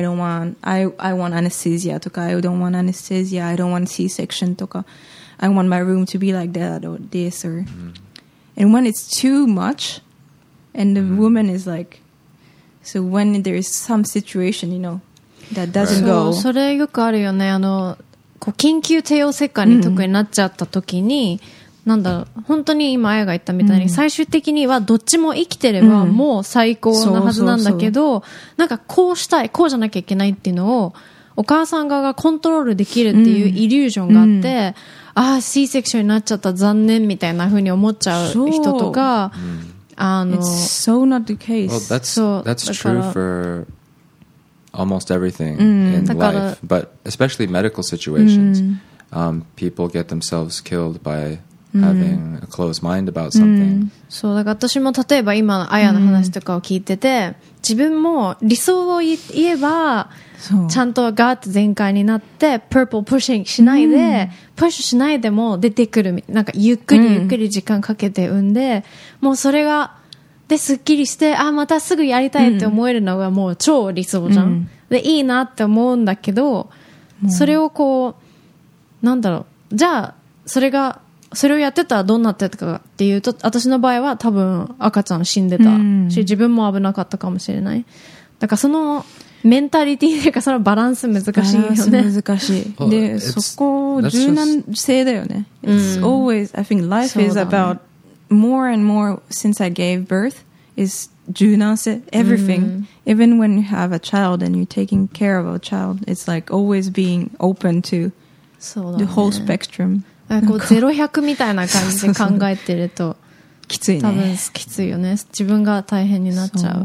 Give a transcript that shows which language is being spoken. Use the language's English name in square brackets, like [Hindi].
[English] I don't want I want anesthesia とか I don't want anesthesia I don't want C-section とか I want my room to be like that or this or、mm-hmm. and when it's too much and the、mm-hmm. woman is like so when there's some situation you know that doesn't、right. go [Japanese] そう、それよくあるよねあのこう緊急帝王切開とかになっちゃった時に、mm-hmm. なんだろう本当に今あやが言ったみたいに、うん、最終的にはどっちも生きてればもう最高なはずなんだけど、うん、そうそうそうなんかこうしたいこうじゃなきゃいけないっていうのをお母さん側がコントロールできるっていうイリュージョンがあって、うん、ああ C セクションになっちゃった残念みたいな風に思っちゃう人とかあの [English] It's so not the case Well that's true for almost everything、 [Japanese] うん、 [English] in life But especially medical situations、うん people get themselves killed byHaving a closed mind about something. [Japanese] そうだから私も例えば今のアヤの話とかを聞いてて、自分も理想を言えばちゃんとガーッと全開になって、 [English] purple pushing [Japanese] しないで、プッシュしないでも出てくるなんかゆっくりゆっくり時間かけて産んで、もうそれがですっきりして、あまたすぐやりたいって思えるのがもう超理想じゃん。でいいなって思うんだけど、それをこうなんだろう、じゃあそれがそれをやってたらどうなってたかっていうと私の場合は多分赤ちゃん死んでたし、うん、自分も危なかったかもしれないだからそのメンタリティというかそのバランス難しいよね難しいで、well, そこ柔軟性だよね [English] It's always I think life is about more and more since I gave birth is 柔軟性 everything、うん、even when you have a child and you're taking care of a child it's like always being open to the whole spectrum [Japanese] こう0-100みたいな感じで考えてるとそうそうそうきついね多分きついよね自分が大変になっちゃ う,